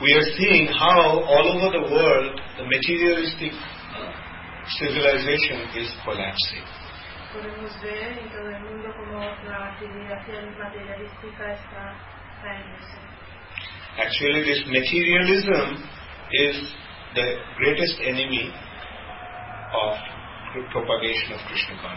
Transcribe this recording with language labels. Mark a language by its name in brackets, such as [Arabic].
[English] We are seeing how all over the world the materialistic civilization is collapsing. [Spanish] Podemos ver en todo el mundo como la civilización materialística está cayéndose. [English] Actually, this materialism is the greatest enemy of propagation of Krishna